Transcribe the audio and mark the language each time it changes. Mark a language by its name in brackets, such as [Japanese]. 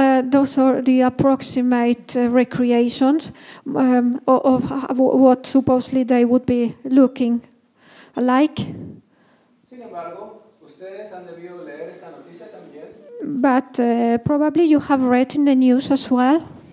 [English] Those are the approximate recreations of what supposedly they would be looking like. [Spanish] Sin embargo, ustedes han debido leer esta noticia también. [English] But probably you have read in the news as well.